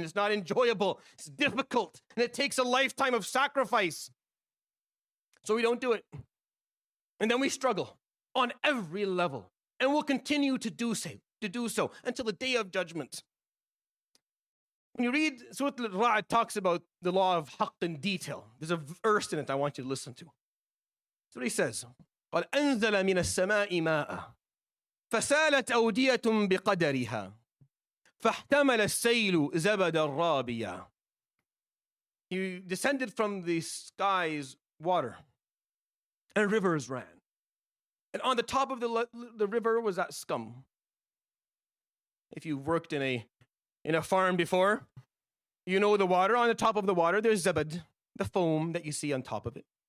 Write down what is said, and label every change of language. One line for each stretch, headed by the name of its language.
English: It's not enjoyable. It's difficult. And it takes a lifetime of sacrifice. So we don't do it. And then we struggle on every level. And we'll continue to do so until the day of judgment. When you read Surah Al-Ra'd, it talks about the law of haqq in detail. There's a verse in it I want you to listen to. So he says,
Arabic: قَدْ أَنزَلَ مِنَ السَّمَاءِ مَاءً فَسَالَتْ أَوْدِيَةٌ بِقَدَرِهَا فَاحْتَمَلَ السَّيْلُ زَبَدًا رَابِيًا.
English: He descended from the skies water, and rivers ran. And on the top of the river was that scum. If you've worked in a farm before, you know the water. On the top of the water, there's zabad, the foam that you see on top of it.